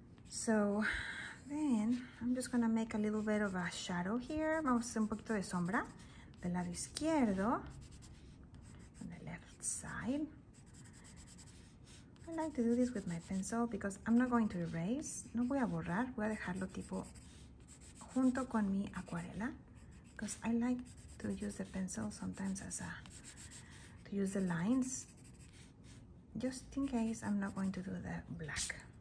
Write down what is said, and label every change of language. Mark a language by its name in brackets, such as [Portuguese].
[English] So then I'm just gonna make a little bit of a shadow here. [Spanish] Vamos a hacer un poquito de sombra del lado izquierdo, [English] on the left side. I like to do this with my pencil because I'm not going to erase. [Spanish] No voy a borrar, voy a dejarlo tipo junto con mi acuarela. [English] Because I like to use the pencil sometimes as a, to use the lines. Just in case I'm not going to do the black.